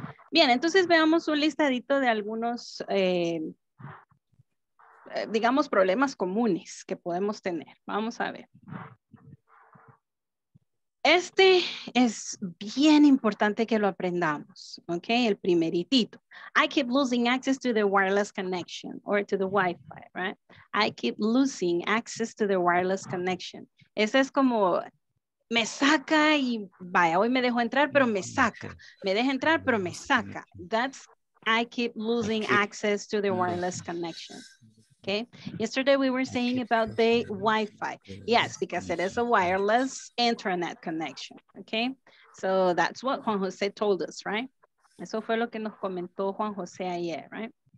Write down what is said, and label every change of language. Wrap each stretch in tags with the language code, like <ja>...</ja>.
<es>Bien, entonces veamos un listadito de algunos, digamos, problemas comunes que podemos tener. Vamos a ver. Este es bien importante que lo aprendamos, ¿ok? El primeritito.</es> <en>I keep losing access to the wireless connection or to the Wi-Fi, right? I keep losing access to the wireless connection.</en> <es>Ese es como, me saca y vaya, hoy me dejo entrar, pero me saca. Me deja entrar, pero me saca.</es> <en>That's, I keep losing access to the wireless connection. Okay. Yesterday we were saying about the Wi-Fi. Yes, because it is a wireless internet connection. Okay, so that's what Juan Jose told us, right?</en> <es>Eso fue lo que nos comentó Juan Jose ayer, right?</es>